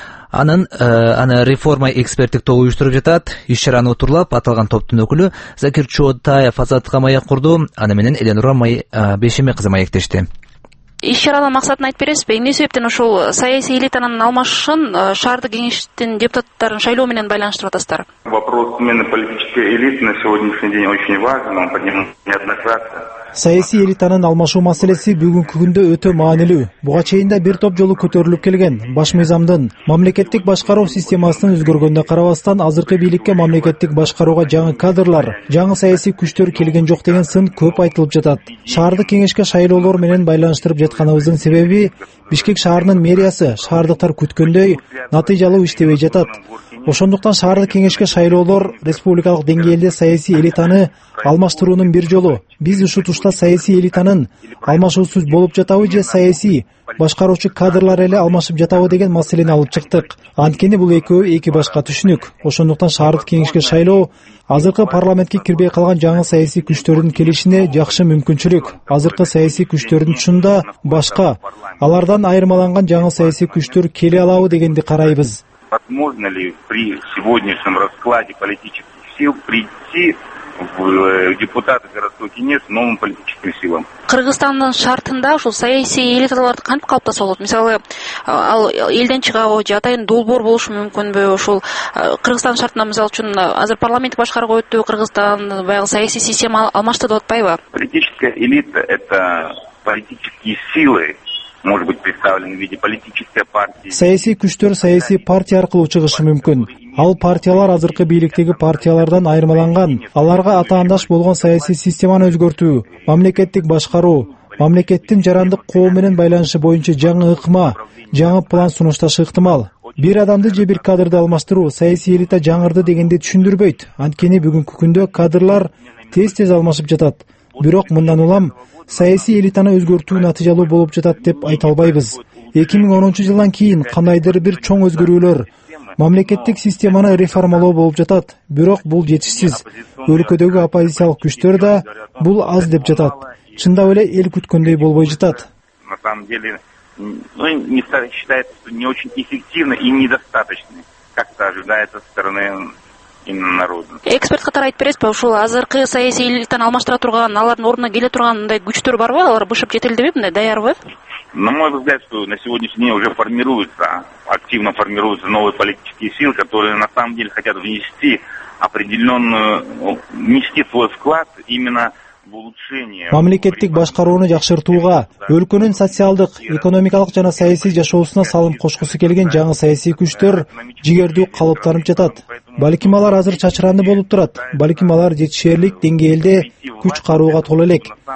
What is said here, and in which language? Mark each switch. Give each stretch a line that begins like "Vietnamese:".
Kyrgyz: Аны реформа эксперттик тобу уюштуруп жатат. Иш чараны отурлап аталган топтун өкүлү Закир Чоотаев азаттыкка маек курду. Аны менен Эленура Бешеме кызы маектешти. Иш чаранын максатын айтып бересизби? Эмне себептен ушул саясий элитанын алмашышын шаардык кеңештин депутаттарын шайлоо менен байланыштырып атасыздар?
Russian: Вопрос именно политической элиты на сегодняшний день очень важен, он поднимался неоднократно.
Kyrgyz: Саясий элитанын алмашуу маселеси бүгүнкү күндө өтө маанилүү. Буга чейин да бир топ жолу көтөрүлүп келген. Баш мыйзамдын мамлекеттик башкаруу системасынын өзгөргөнүнө карабастан, азыркы бийликке мамлекеттик башкарууга жаңы кадрлар, жаңы саясий күчтөр келген жок деген сын көп айтылып жатат. Шаардык кеңешке шайлоолор менен байланыштырып жатканыбыздын себеби Бишкек шаарынын мэриясы шаардыктар күткөндөй натыйжалуу иштебей жатат. Ошондуктан шаардык кеңешке шайлоолор республикалык деңгээлде саясий элитаны алмаштыруунун бир жолу. Биз ушул тушта саясий элитанын алмашуусуз болуп жатабы же саясий башкаруучу кадрлар эле алмашып жатабы деген маселени алып чыктык. Анткени бул экөө эки башка түшүнүк. Ошондуктан шаардык кеңешке шайлоо азыркы парламентке кирбей калган жаңы саясий күчтөрдүн келишине жакшы мүмкүнчүлүк. Азыркы саясий күчтөрдүн чунда башка, алардан айырмаланган жаңы саясий күчтөр келе алабы дегенди карайбыз.
Russian: Возможно ли при сегодняшнем раскладе политических сил прийти в депутаты городской кеңеш новым политическим силам?
Kyrgyz: Кыргызстандын шартында ушул саясий элиталарды кантип калыптаса болот? Мисалы, ал элден чыгабы же атайын долбоор болушу мүмкүнбү? Ушул Кыргызстандын шартына мисалы үчүн азыр парламенттик башкарууга өттү, Кыргызстан баягы саясий система алмашты деп атпайбы?
Russian: Политическая элита — это политические силы. Может быть, представлен в виде политической партии.
Kyrgyz: Саясий күчтөр саясий партия аркылуу чыгышы мүмкүн. Ал партиялар азыркы бийликтеги партиялардан айырмаланган, аларга атаандаш болгон саясий системаны өзгөртүү, мамлекеттик башкаруу, мамлекеттин жарандык коом менен байланышы боюнча жаңы ыкма, жаңы план сунушташы ыктымал. Бир адамды же бир кадрды алмаштыруу саясий элита жаңырды дегенди түшүндүрбөйт. Анткени бүгүнкү күндө кадрлар тез-тез алмашып жатат. Бирок мындан улам саясий элитаны өзгөртүү натыйжалуу болуп жатат деп айта албайбыз. 2010 жылдан кийин кандайдыр бир чоң өзгөрүүлөр мамлекеттик системаны реформалоо болуп жатат. Бирок бул жетишсиз. Өлкөдөгү оппозициялык күчтөр да бул аз деп жатат. Чындап эле эл күткөндөй болбой жатат.
Russian: На самом деле, не считается, что не очень эффективно и недостаточно, как ожидается со стороны
Kyrgyz: эксперт катары айтып бересизби, ушул азыркы саясий элитаны алмаштыра турган, алардын ордуна келе турган мындай күчтөр барбы? Алар бышып жетелдеби, мындай даярбы?
Russian: На мой взгляд, что на сегодняшний день уже формируются, активно формируются новые политические силы, которые на самом деле хотят внести определенную, внести свой вклад именно в улучшение.
Kyrgyz: Мамлекеттик башкарууну жакшыртууга, өлкөнүн социалдык, экономикалык жана саясий жашоосуна салым кошкусу келген жаңы саясий күчтөр жигердүү калыптанып жатат. Балким алар азыр чачыранды болуп турат, балким алар жетишерлик деңгээлде күч карууга толо элек.